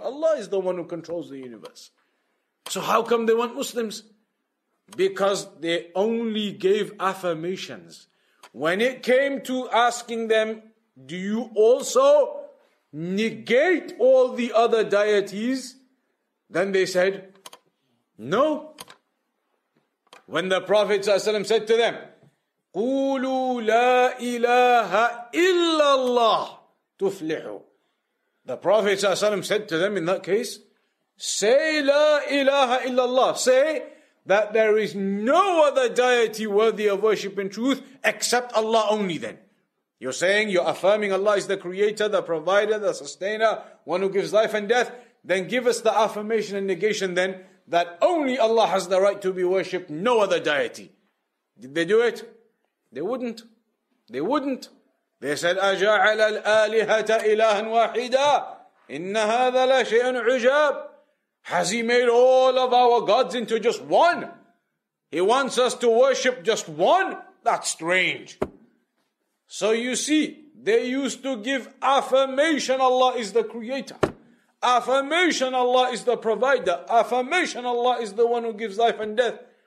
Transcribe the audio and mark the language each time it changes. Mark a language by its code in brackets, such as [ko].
[en] Allah is the one who controls the universe. So how come they weren't Muslims? Because they only gave affirmations. When it came to asking them, do you also negate all the other deities? Then they said, no. When the Prophet ﷺ said to them, [ar] قُولُوا لَا إِلَٰهَ إِلَّا اللَّهِ تُفْلِحُ. [en] The Prophet ﷺ said to them in that case, say [ar] لَا إِلَٰهَ إِلَّا اللَّهِ. [en] Say that there is no other deity worthy of worship in truth except Allah only then. You're saying, you're affirming Allah is the creator, the provider, the sustainer, one who gives life and death. Then give us the affirmation and negation then that only Allah has the right to be worshipped, no other deity. Did they do it? They wouldn't. They said, [ar] أَجَعَلَ الْآلِهَةَ إِلَهًا وَاحِدًا إِنَّ هَذَا لَا شَيْءٌ عُجَابٌ. [en] Has he made all of our gods into just one? He wants us to worship just one? That's strange. So you see, they used to give affirmation Allah is the creator. Affirmation Allah is the provider. Affirmation Allah is the one who gives life and death.